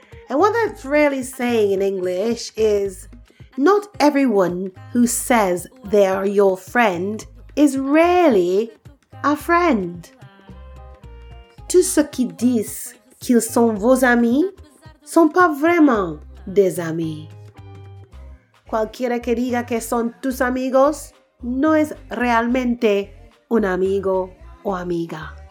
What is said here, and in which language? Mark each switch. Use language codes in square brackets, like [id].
[en] And what that's really saying in English is, not everyone who says they are your friend is really a friend. [fr] Tous ceux qui disent qu'ils sont vos amis sont pas vraiment des amis. [es] Cualquiera que diga que son tus amigos no es realmente un amigo o amiga.